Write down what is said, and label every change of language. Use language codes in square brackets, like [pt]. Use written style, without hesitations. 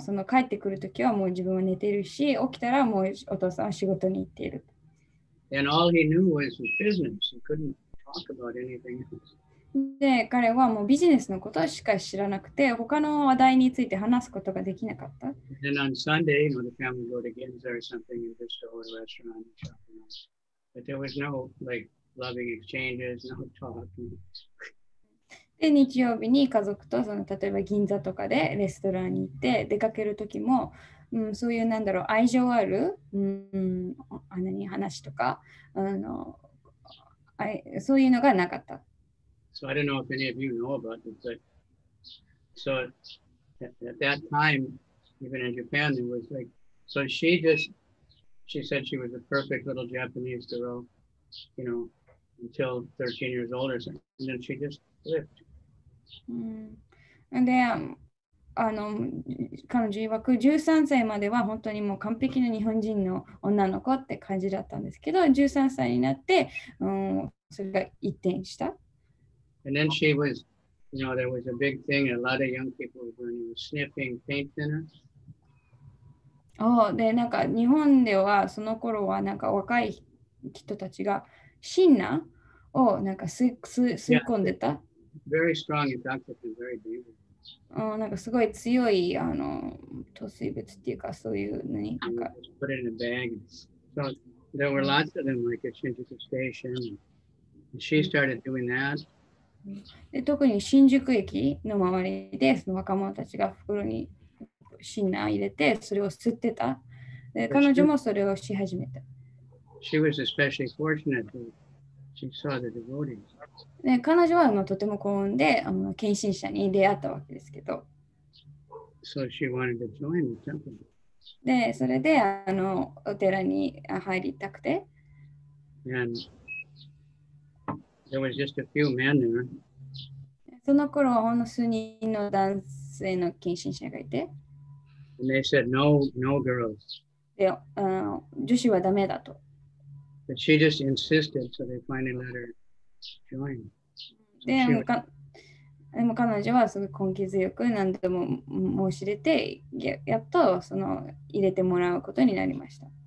[ja] その帰ってくるときはもう自分は寝ているし、起きたらもうお父さんは仕事に行っている。 [en] And all he knew was his business. He couldn't talk about anything else. [ja] で、彼はもうビジネスのことしか知らなくて、他の話題について話すことができなかった。 [en] Then on Sunday, you know, the family go to Ginza or something, you just go to a restaurant and shop. But there was no, like,Loving exchanges, no talk. [ja] で日曜日に家族とその例えば銀座とかでレストランに行って出かける時も、そういうなんだろう愛情ある、あのに話とかあのあそういうのがなかった。 [en] So I don't know if any of you know about this, but so at that time, even in Japan, it was like so. She said she was a perfect little Japanese girl, you know. Until 13 years old, and then she just lived. And then, [ja] あの、彼女曰く13歳までは本当にもう完璧な日本人の女の子って感じだったんですけど、13歳になって、それが一転した。 [en] And then she was, you know, there was a big thing, a lot of young people were doing sniffing paint thinner. [ja] で、なんか日本ではその頃はなんか若い人たちが、シンナをなんか吸い込んでた。 [en] Yeah, very strong intoxicant, very dangerous. [ja] なんかすごい強いあの塗水物っていうかそういうのに。 [en] Put it in a bag. So there were lots of them like at Shinjuku Station. She started doing that. [ja] で特に新宿駅の周りでその若者たちが袋にシンナ入れてそれを吸ってた。で彼女もそれをし始めた。 [en] She was especially fortunate that she saw the devotees. [ja] ね、彼女はとても幸運で、献身者に出会ったわけですけど。 [en] So she wanted to join the temple. [ja] で、それで、お寺に入りたくて。 [en] And there was just a few men there. [ja] その頃はほんの数人の男性の献身者がいて。 [en] And they said, no, no girls. [ja] で、女子はダメだと。 [en] But she just insisted, so they finally let her join. [ja] で、でも彼女はすごい根気強く何度も申し出て、やっとその入れてもらうことになりました。